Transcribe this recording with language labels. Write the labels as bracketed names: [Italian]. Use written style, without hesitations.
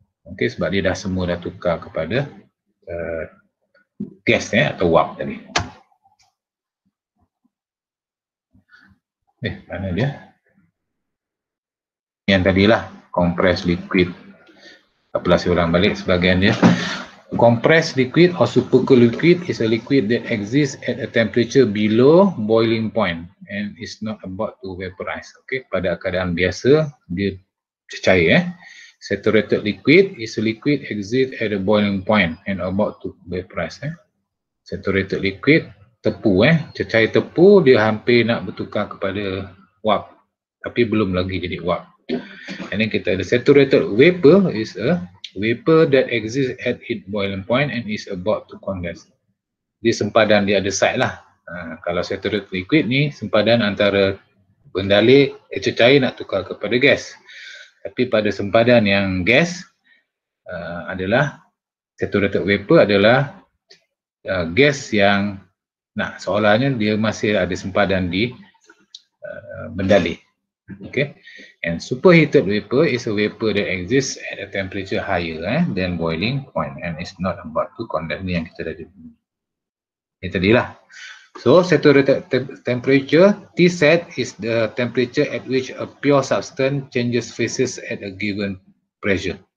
[Malay] Okey, sebab dia dah semua dah tukar kepada gas eh, atau wap tadi. Mana dia? Yang tadilah compressed liquid. Tak apalah, saya ulang balik sebagian dia. [English] Compressed liquid or supercooled liquid is a liquid that exists at a temperature below boiling point and is not about to vaporize. [Malay] Okay, pada keadaan biasa dia cecair eh. [English] Saturated liquid is a liquid exists at a boiling point and about to vaporize eh. [Malay] Saturated liquid tepu eh, cecair tepu, dia hampir nak bertukar kepada wap tapi belum lagi jadi wap. [English] And then [Malay] kita ada [English] saturated vapor is a vapor that exists at its boiling point and is about to condense. [Malay] Di sempadan dia ada side lah. Kalau saturated liquid ni sempadan antara pendalik cecair nak tukar kepada gas. Tapi pada sempadan yang gas adalah saturated vapor adalah gas yang nak, seolahnya dia masih ada sempadan di pendalik. Okay. [English] And superheated vapor is a vapor that exists at a temperature higher eh, than boiling point and is not about to condense. [Malay] Ni yang kita dah dengar. Ini tadilah. [English] So saturated temperature, T set is the temperature at which a pure substance changes phases at a given pressure.